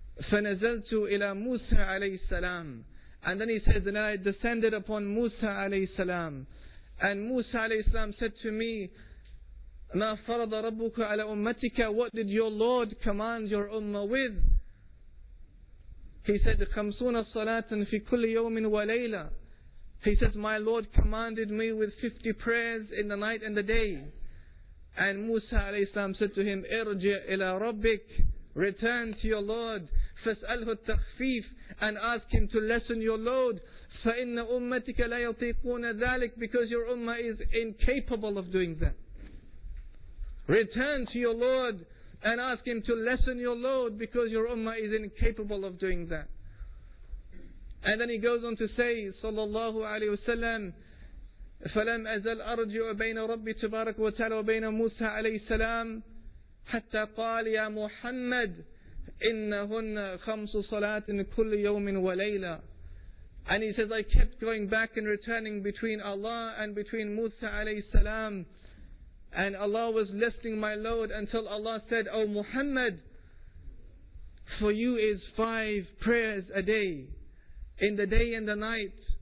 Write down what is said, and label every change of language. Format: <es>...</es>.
<ar>فَنَزَلْتُ إِلَىٰ مُوسَىٰ عَلَيْهِ السَّلَامِ.</ar> <en>And then he says, and I descended upon Musa alayhi salam. And Musa alayhi salam said to me,</en> <ar>مَا فَرَضَ رَبُّكَ عَلَىٰ أُمَّتِكَ.</ar> <en>What did your Lord command your ummah with? He said,</en> <ar>خَمْسُونَ صَلَاةً فِي كُلِّ يَوْمٍ وَلَيْلًا.</ar> <en>He says, my Lord commanded me with 50 prayers in the night and the day. And Musa alayhi salam said to him,</en> <ar>ارْجِعْ إِلَىٰ رَبِّكَ.</ar> <en>Return to your Lord.</en> <ar>فَاسْأَلْهُ التَّخْفِيفِ.</ar> <en>And ask him to lessen your load.</en> <ar>فَإِنَّ أُمَّتِكَ لَا يَطِيقُونَ ذَلِكَ.</ar> <en>Because your ummah is incapable of doing that. Return to your Lord and ask him to lessen your load, because your ummah is incapable of doing that. And then he goes on to say, sallallahu alayhi wa sallam,</en> <ar>فَلَمْ أَزَلْ أَرْجِعُ بَيْنَ رَبِّ تَبَارَكُ وَتَعَلَى وَبَيْنَ مُوسَىٰ عَلَيْهِ السَّلَامِ حَتَّى قَالِ يَا مُحَمَّدْ إِنَّهُنَّ خَمْسُ صَلَاتٍ كُلِّ يَوْمٍ وَلَيْلًا.</ar> <en>And he says, I kept going back and returning between Allah and between Musa alayhi salam, and Allah was lessening my load until Allah said, O Muhammad, for you is 5 prayers a day, in the day and the night.</en>